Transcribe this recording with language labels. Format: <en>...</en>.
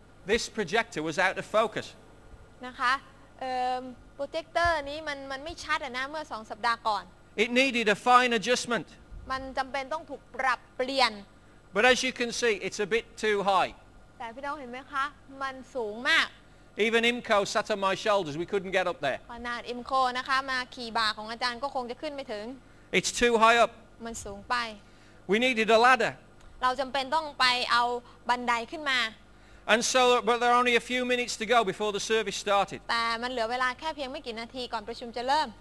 <en>This projector was out of focus</en> <th>นะคะโปรเจคเตอร์นี้มันไม่ชัดอ่ะนะเมื่อ2สัปดาห์ก่อน</th> <en>It needed a fine adjustment</en> <th>มันจำเป็นต้องถูกปรับเปลี่ยน</th> <en>But as you can see it's a bit too high</en> <th>แต่พี่น้องเห็นมั้ยคะมันสูงมาก</th> <en>Even Imco sat on my shoulders. We couldn't get up there.</en> <th>ขนาด Imco นะคะมาขี่บ่าของอาจารย์ก็คงจะขึ้นไม่ถึง</th> <en>It's too high up.</en> <th>มันสูงไป</th> <en>We needed a ladder.</en> <th>เราจำเป็นต้องไปเอาบันไดขึ้นมา</th> <en>And so, but there are only a few minutes to go before the service started.</en> <th>แต่มันเหลือเวลาแค่เพียงไม่กี่นาทีก่อนประชุมจะเริ่ม</th>